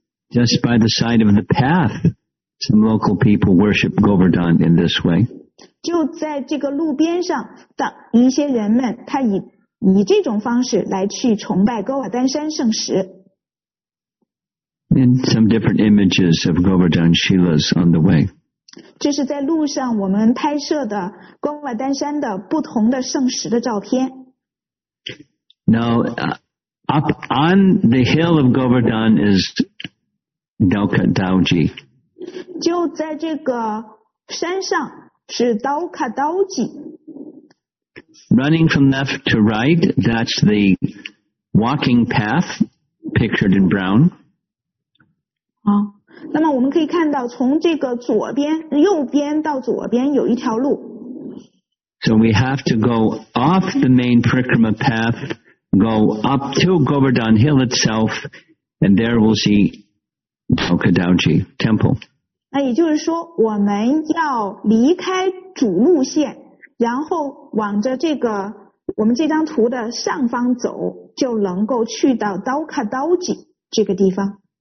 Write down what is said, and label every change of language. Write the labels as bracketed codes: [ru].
[en] Just by the side of the path, some local people worship Govardhan in this way. [zh] 就在这个路边上的一些人们，他以这种方式来去崇拜 Govardhan 山圣石。 [en] in some different images of Govardhan Shilas on the way. [zh] 这是在路上我们拍摄的光瓦丹山的不同的圣石的照片。 [en] Now, up on the hill of Govardhan is Dauka Dauji. [zh] 就在这个山上是 Dauka Dauji。 [en] Running from left to right, that's the walking path pictured in brown. [zh] 好。那么我们可以看到从这个左边右边到左边有一条路。 [en] So we have to go off the main Parikrama path, go up to Govardhan Hill itself, and there we'll see Dauka Dauji Temple. [zh] 那也就是说我们要离开主路线然后往着这个我们这张图的上方走就能够去到 Dauka Dauji 这个地方。